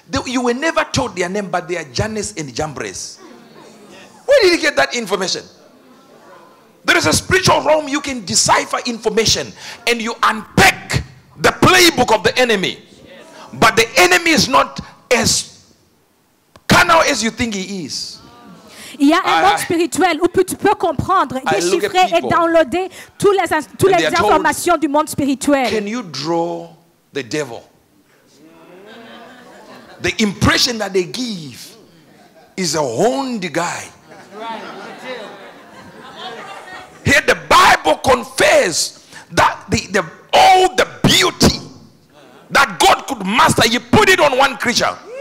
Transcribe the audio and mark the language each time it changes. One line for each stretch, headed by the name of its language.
English: You were never told their name, but they are Jannes and Jambres. Where did you get that information? There is a spiritual realm you can decipher information and you unpack the playbook of the enemy. But the enemy is not as carnal as you think he is.
French: Il y a un monde spirituel où tu peux comprendre, déchiffrer et downloader toutes les informations du monde spirituel.
English: Can you draw the devil? The impression that they give is a horned guy. Here the Bible confesses that all the beauty that God could master, he put it on one creature.